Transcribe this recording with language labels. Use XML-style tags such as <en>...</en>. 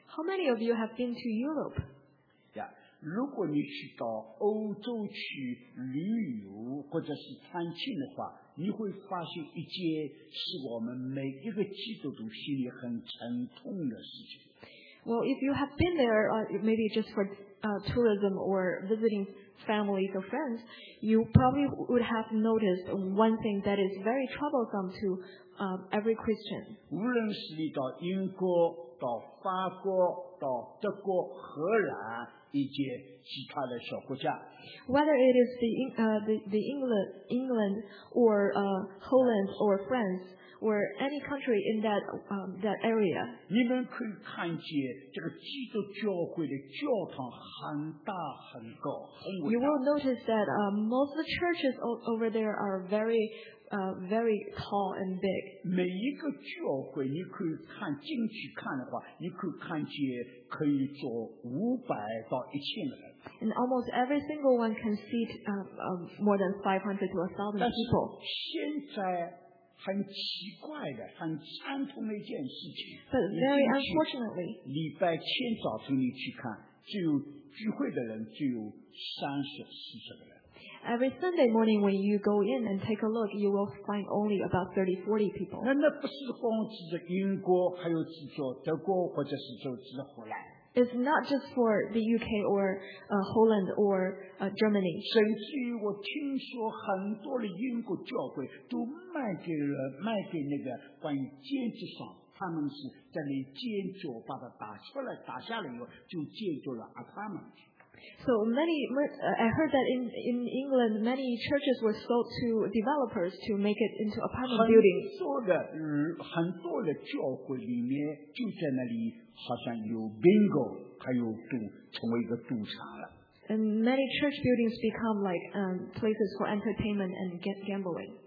<en>How many of you have been to Europe?</en> <zh>Yeah, 如果你去到欧洲去旅游或者是参亲的话，你会发现一件是我们每一个基督徒心里很沉痛的事情。</zh> <en>Well, if you have been there, maybe just for tourism or visiting families or friends, you probably would have noticed one thing that is very troublesome to every Christian.</en> <zh>无论是你到英国、到法国、到德国、荷兰以及其他的小国家，</zh> <en>whether it is the England or Holland or France. Or any country in that area.</en> <zh>你们可以看见这个基督教会的教堂很大很高，很伟大。</zh> <en>You will notice that most of the churches over there are very, very tall and big.</en> <zh>每一个教会，你可以看进去看的话，你可以看见可以坐500到1000人。</zh> <en>And almost every single one can seat more than 500 to 1,000 people.</en> <zh>现在很奇怪的，很惨痛的一件事情。</zh> <en>But very unfortunately,</en> <zh>礼拜天早晨你去看，只有聚会的人只有30-40个人。</zh> <en>Every Sunday morning when you go in and take a look, you will find only about 30-40 people.</en> <zh>那不是光指着英国，还有指着德国，或者是说指着荷兰。</zh> <en>It's not just for the UK or Holland or Germany.</en> <zh>甚至于我听说很多的英国教会都卖给那个关于建筑商，他们是在那建筑把它打出来，打下来以后就建筑了apartment。</zh> <en>So many, I heard that in England, many churches were sold to developers to make it into apartment buildings.</en> <zh>很多的教会里面就在那里，好像有 bingo， 还有赌，成为一个赌场了。</zh> <en>And many church buildings become like places for entertainment and gambling.</en>